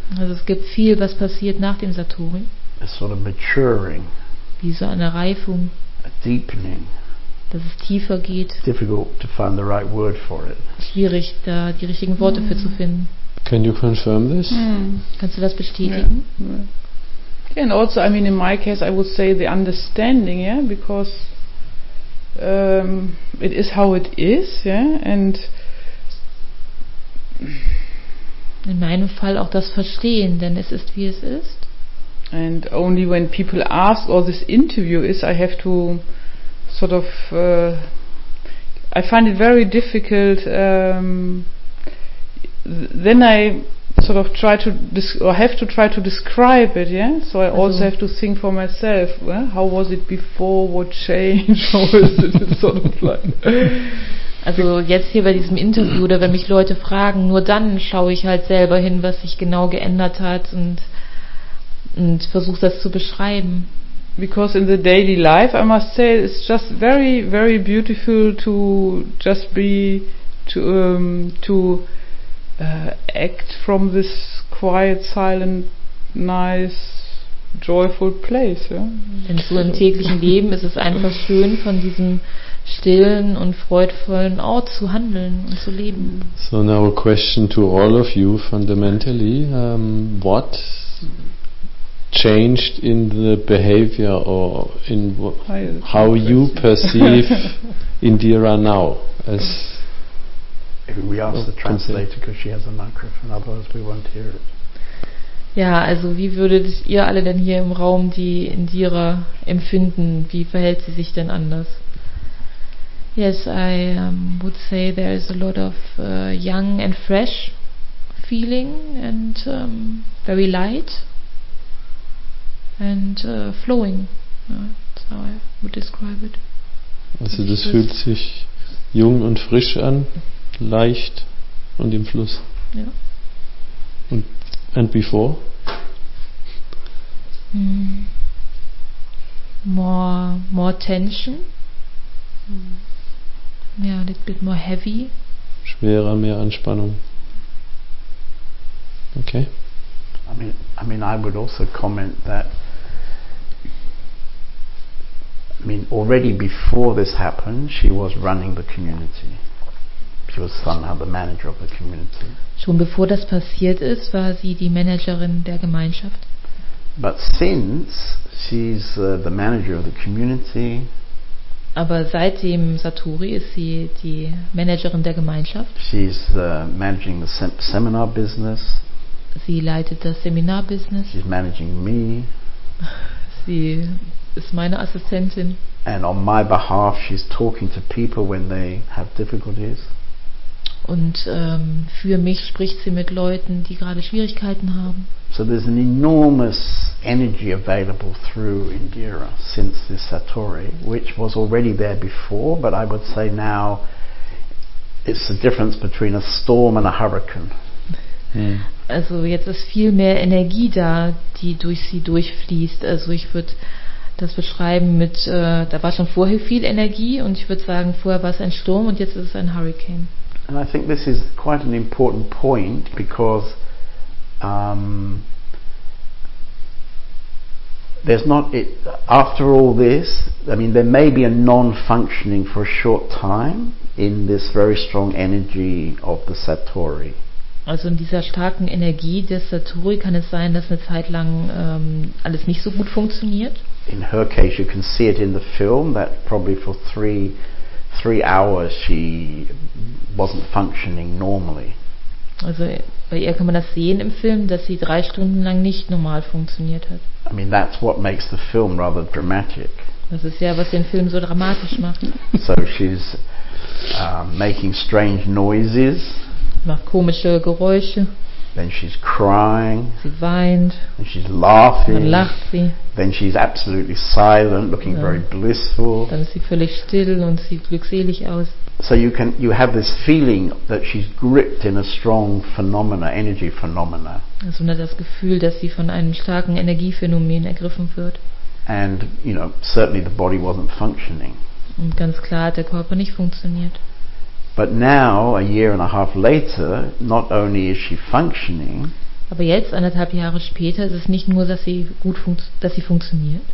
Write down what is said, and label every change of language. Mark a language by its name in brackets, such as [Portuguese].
[German] Also es gibt viel, was passiert nach dem Satori. [English] A sort of maturing. [German] Wie so eine Reifung. [English] A deepening. [German] Dass es tiefer geht. [English] Difficult to find the right word for it. [German] Schwierig, da die richtigen Worte für zu finden. [English] Can you confirm this? [German] Kannst du das bestätigen? [English] Yeah, and also, I mean, in my case, I would say the understanding, yeah, because it is how it is, yeah, and [German] in meinem Fall auch das Verstehen, denn es ist, wie es ist. [English] And only when people ask or this interview is, I have to sort of, I find it very difficult, then I sort of try to describe it, yeah? So I also have to think for myself, how was it before, what changed, how is it sort of like. [German] Also jetzt hier bei diesem Interview oder wenn mich Leute fragen, nur dann schaue ich halt selber hin, was sich genau geändert hat und versuche das zu beschreiben. [English] Because in the daily life, I must say, it's just very, very beautiful to just be, to act from this quiet, silent, nice, joyful place. Yeah? [German] Denn so im täglichen Leben ist es einfach schön, von diesem stillen und freudvollen Ort zu handeln und zu leben. [English] So now a question to all of you fundamentally. What changed in the behavior or in how you perceive Indira now? As we ask the translator because she has a microphone, otherwise we won't hear it. [German] Ja, also wie würdet ihr alle denn hier im Raum die Indira empfinden? Wie verhält sie sich denn anders? [English] Yes, I would say there is a lot of young and fresh feeling and very light and flowing. That's how I would describe it. [German] Also das fühlt sich jung und frisch an, leicht und im Fluss. Ja. [English] And before? More tension. Yeah, a little bit more heavy. [German] Schwerer, mehr Anspannung. [English] Okay. I would also comment that, already before this happened, she was running the community. She was somehow the manager of the community. [German] Schon bevor das passiert ist, war sie die Managerin der Gemeinschaft. [English] But since she's the manager of the community, [German] aber seitdem Satori ist sie die Managerin der Gemeinschaft. [English] She's managing the seminar business. [German] Sie leitet das Seminarbusiness. [English] She's managing me. [German] Sie ist meine Assistentin. [English] And on my behalf, she's talking to people when they have difficulties. [German] Und für mich spricht sie mit Leuten, die gerade Schwierigkeiten haben. [English] So there's an enormous energy available through Indira since this Satori, which was already there before, but I would say now it's the difference between a storm and a hurricane. [German] Also jetzt ist viel mehr Energie da, die durch sie durchfließt. Also ich würde das beschreiben mit, da war schon vorher viel Energie und ich würde sagen, vorher war es ein Sturm und jetzt ist es ein Hurricane. [English] And I think this is quite an important point because after all this, there may be a non-functioning for a short time in this very strong energy of the Satori. [German] Also in dieser starken Energie des Satori kann es sein, dass eine Zeit lang alles nicht so gut funktioniert. [English] In her case, you can see it in the film that probably for three hours she wasn't functioning normally. [German] Also bei ihr kann man das sehen im Film, dass sie drei Stunden lang nicht normal funktioniert hat. [English] I mean, that's what makes the film rather dramatic. [German] Das ist ja, was den Film so dramatisch macht. [English] So she's making strange noises. [German] Macht komische Geräusche. [English] Then she's crying. [German] Sie weint. [English] Then she's laughing. [German] Dann lacht sie. [English] Then she's absolutely silent, looking very blissful. [German] Dann ist sie völlig still und sieht glückselig aus. [English] So you have this feeling that she's gripped in a strong phenomena, energy phenomena. [German] Also man hat das Gefühl, dass sie von einem starken Energiephänomen ergriffen wird. [English] And you know, certainly the body wasn't functioning. [German] Und ganz klar hat der Körper nicht funktioniert. [English] But now, a year and a half later, not only is she functioning. [German] Aber jetzt, anderthalb Jahre später, ist es nicht nur, dass sie gut funktioniert.